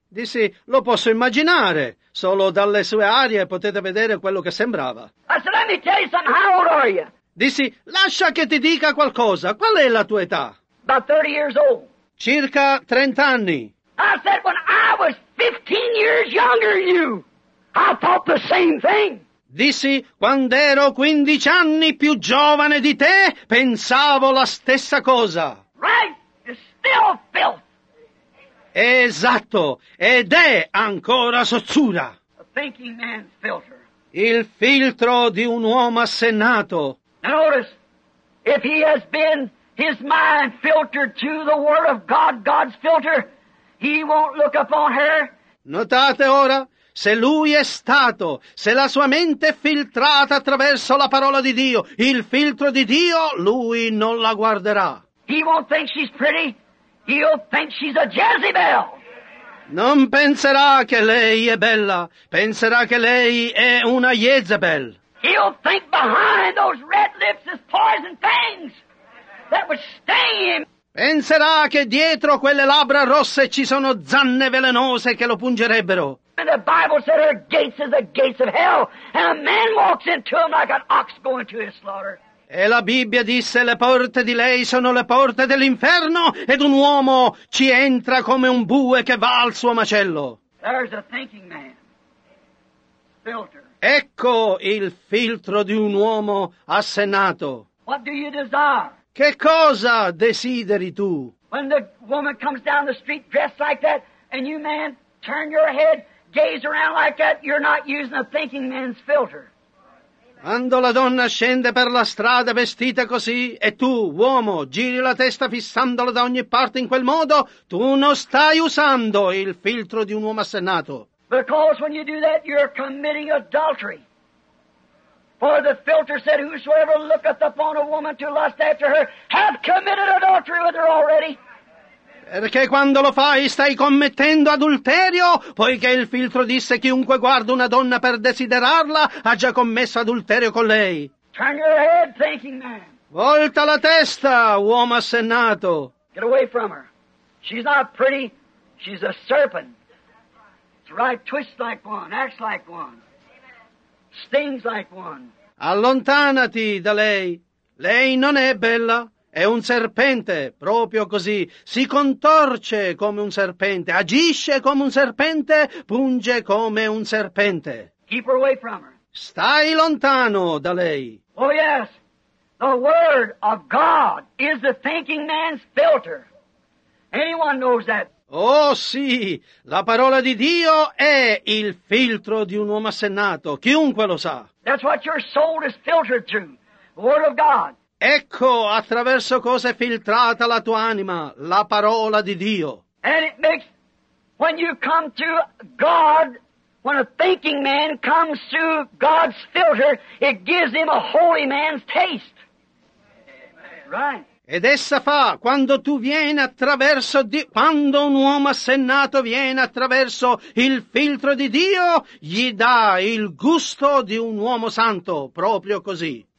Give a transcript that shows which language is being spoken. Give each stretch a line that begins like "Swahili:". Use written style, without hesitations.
Italian: Dissi, lo posso immaginare. Solo dalle sue arie potete vedere quello che sembrava.
English: I said, let me tell you something. How old are you?
Italian: Dissi, lascia che ti dica qualcosa. Qual è la tua età?
English: About 30 years old.
Italian: Circa 30 anni.
English: I said, when I was 15 years younger than you, I thought the same thing.
Italian: Dissi, quando ero 15 anni più giovane di te, pensavo la stessa cosa.
English: Right, it's still filth.
Italian: Esatto, ed è ancora sozzura.
English: A thinking man's filter.
Italian: Il filtro di un uomo assennato.
English: Now notice, if he has been his mind filtered to the word of God, God's filter, he won't look upon her.
Italian: Notate ora, se lui è stato, se la sua mente è filtrata attraverso la parola di Dio, il filtro di Dio, lui non la guarderà.
English: He won't think she's pretty. He'll think she's a Jezebel.
Italian: Non penserà che lei è bella. Penserà che lei è una Jezebel.
English: He'll think behind those red lips is poison fangs that would stain him.
Italian: Penserà che dietro quelle labbra rosse ci sono zanne velenose che lo pungerebbero.
English: And the Bible said her gates is the gates of hell, and a man walks into them like an ox going to his slaughter.
Italian: E la Bibbia disse, le porte di lei sono le porte dell'inferno, ed un uomo ci entra come un bue che va al suo macello.
English: There's a thinking man. Filter.
Italian: Ecco il filtro di un uomo assennato.
English: What do you desire?
Italian: Che cosa desideri tu?
English: When the woman comes down the street dressed like that, and you man turn your head, gaze around like that, you're not using a thinking man's filter.
Italian: Quando la donna scende per la strada vestita così, e tu, uomo, giri la testa fissandola da ogni parte in quel modo, tu non stai usando il filtro di un uomo assennato.
English: Because when you do that, you're committing adultery. For the filter said, whosoever looketh upon a woman to lust after her, hath committed adultery with her already.
Italian: Perché quando lo fai stai commettendo adulterio, poiché il filtro disse chiunque guarda una donna per desiderarla ha già commesso adulterio con lei.
English: Turn your head, thinking man.
Italian: Volta la testa, uomo assennato.
English: Get away from her. She's not pretty, she's a serpent. It's right, twists like one, acts like one, stings like one.
Italian: Allontanati da lei. Lei non è bella. È un serpente, proprio così. Si contorce come un serpente, agisce come un serpente, punge come un serpente.
English: Keep her away from her.
Italian: Stai lontano da lei.
English: Oh yes, the word of God is the thinking man's filter. Anyone knows that?
Italian: Oh sì, la parola di Dio è il filtro di un uomo assennato. Chiunque lo sa.
English: That's what your soul is filtered through, the word of God.
Italian: Ecco attraverso cosa è filtrata la tua anima, la parola di Dio.
English: And it makes, when you come to God, when a thinking man comes through God's filter, it gives him a holy man's taste. Right.
Italian: Ed essa fa, quando tu vieni attraverso Dio, quando un uomo assennato viene attraverso il filtro di Dio, gli dà il gusto di un uomo santo, proprio così.